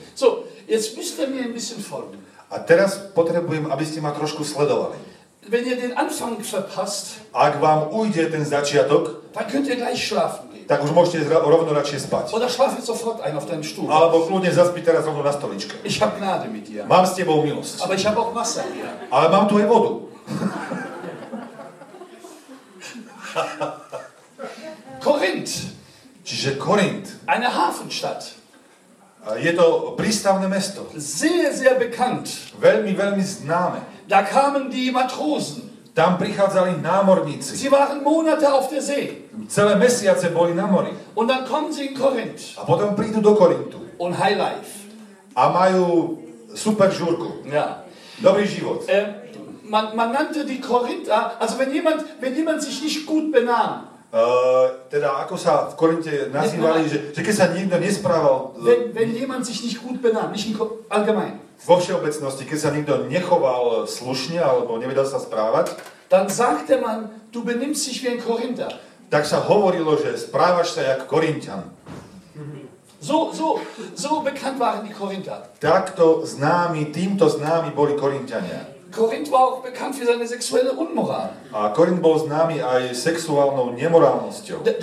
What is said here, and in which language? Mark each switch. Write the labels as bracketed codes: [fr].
[de] So, jetzt müsst ihr mir ein bisschen folgen. [sk] A teraz potrebujem, aby ste ma trošku sledovali. [de] Wenn ihr den Anfang verpasst, [sk] ak vám ujde ten začiatok, [de] dann könnt ihr gleich schlafen gehen. [sk] Tak už môžete rovno radšej spať. [de] Oder schlafe sofort ein auf deinem Stuhl. [sk] Alebo kľudne zaspí teraz rovno na stoličke. [de] Ich hab Gnade mit dir. [sk] Mám s tebou milosť. [de] Aber ich hab auch Wasser hier. [sk] Ale mám tu aj vodu. [de] Korinth. [sk] Čiže Korinth. [de] Eine Hafenstadt. [sk] Je to prístavné mesto. [de] Sehr, sehr bekannt. [sk] Veľmi, veľmi známe. [de] Da kamen die Matrosen. [sk] Tam prichádzali námorníci. [de] Sie waren Monate auf der See. [sk] Celé mesiace boli na mori. [de] Und dann kommen sie in Korinth. [sk] A potom prídu do Korintu. [de] Und high life. [sk] A majú super žurku. [de] Ja. [sk] Dobrý život. [de] Man nannte die Korinther, also wenn jemand sich nicht gut benahm. [sk] Teda ako sa v Korinte nazývali, že keď sa niekto nesprával. [de] Wenn jemand sich nicht gut benahm, nicht allgemein. [sk] Vo všeobecnosti, keď sa niekto nechoval slušne alebo nevedel sa správať, [de] dann sagte man, du benimmst dich wie ein Korinther. [sk] Tak sa hovorilo, že správaš sa jak Korinťan. [de] So bekannt waren die Korinther. [sk] Takto známi, týmto známi boli Korinťania. [de] Korinth war auch bekannt für seine sexuelle Unmoral. [sk] A Korinth bol známy aj sexuálnou nemorálnosťou.